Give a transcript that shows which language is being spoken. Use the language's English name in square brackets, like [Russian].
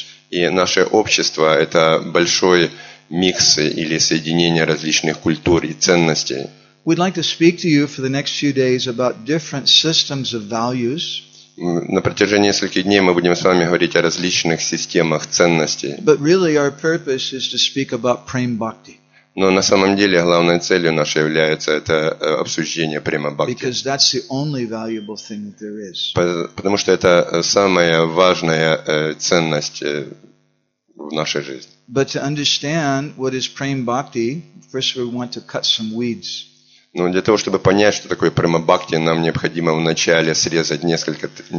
[Russian] И наше общество – это большой микс или соединение различных культур и ценностей. [English] We'd like to speak to you for the next few days about different systems of values. [Russian] На протяжении нескольких дней мы будем с вами говорить о различных системах ценностей. [English] But really our purpose is to speak about prema bhakti. [Russian] Но на самом деле главной целью нашей является это обсуждение према бхакти. [English] Because that's the only valuable thing that there is. [Russian] Потому что это самая важная ценность в нашей жизни. [English] But to understand what is prema bhakti, first we want to cut some weeds. [Russian] Но для того, чтобы понять, что такое према бхакти, нам необходимо вначале срезать несколько.